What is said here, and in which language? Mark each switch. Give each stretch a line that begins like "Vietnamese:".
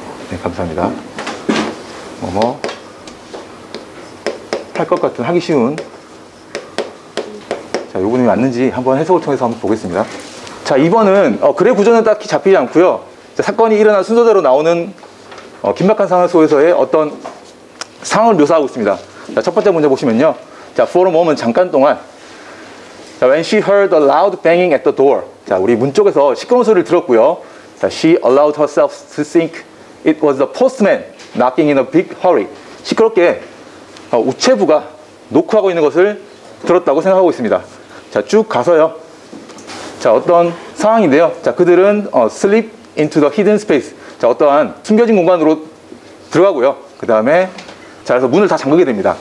Korean: 네 감사합니다 뭐뭐 할 것 같은 하기 쉬운 자 요 부분이 맞는지 한번 해석을 통해서 한번 보겠습니다. 자, 2번은 글의 구조는 딱히 잡히지 않고요. 자, 사건이 일어난 순서대로 나오는 긴박한 상황 속에서의 어떤 상황을 묘사하고 있습니다. 자, 첫 번째 문제 보시면요. 자,
English: for a moment,
Korean: 잠깐 동안.
English: 자, when she heard a loud banging at the door.
Korean: 자, 우리 문 쪽에서 시끄러운 소리를 들었고요.
English: 자, she allowed herself to think it was the postman knocking in a big hurry.
Korean: 시끄럽게 우체부가 노크하고 있는 것을 들었다고 생각하고 있습니다. 자, 쭉 가서요. 자, 어떤 상황인데요. 자, 그들은
English: slip into the hidden space.
Korean: 자, 어떠한 숨겨진 공간으로 들어가고요. 그 다음에 자, 그래서 문을 다 잠그게 됩니다.